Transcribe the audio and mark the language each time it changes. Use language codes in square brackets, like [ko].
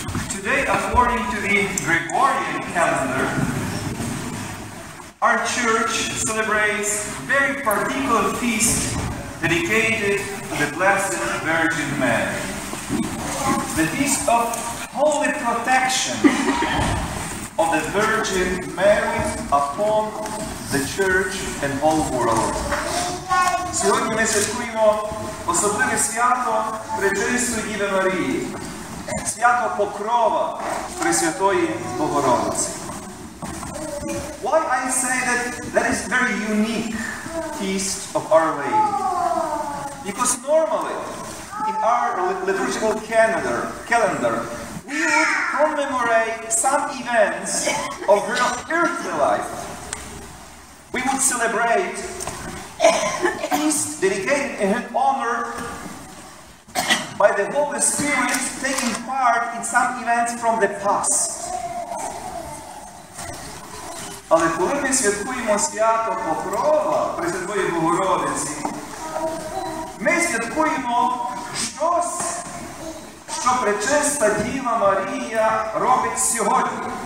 [en] Today, according to the Gregorian calendar, our church celebrates a very particular feast dedicated to the Blessed Virgin Mary. The feast of holy protection of the Virgin Mary upon the church and all world. [uk] Сьогодні ми святкуємо особливе свято Пречистої Діви Марії, свято покрова Пресвятої Богородиці. [en] Why I say that that is very unique feast of Our Lady? Because normally in our liturgical calendar we would commemorate some events of her earthly life. We would celebrate feast dedicated in her honor by the Holy Spirit taking part in some events from the past. [uk] Але коли ми святкуємо свято Покрова Пресвятої Богородиці, ми святкуємо щось, що Пречиста Діва Марія робить сьогодні.